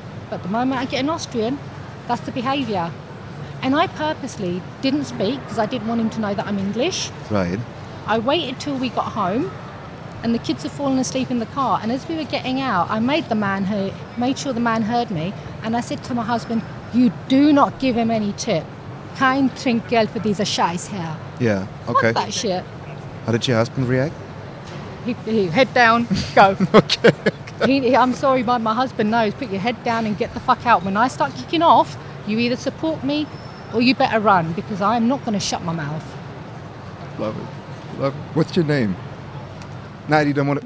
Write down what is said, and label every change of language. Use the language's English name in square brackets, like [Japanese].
[English] But the moment I get an Austrian, that's the behaviour. And I purposely didn't speak because I didn't want him to know that I'm English. Right. I waited till we got home, and the kids had fallen asleep in the car. And as we were getting out, I made sure the man heard me. And I said to my husband, you do not give him any tip. [German] Kein Trinkgeld für diese Scheiße hier. [English] Yeah, okay. Fuck that shit. How did your husband react? He head down, go. Okay. I'm sorry, but my husband knows. Put your head down and get the fuck out. When I start kicking off, you either support me or you better run, because I'm not going to shut my mouth. Love it. Love it. What's your name? Nah, you don't want to...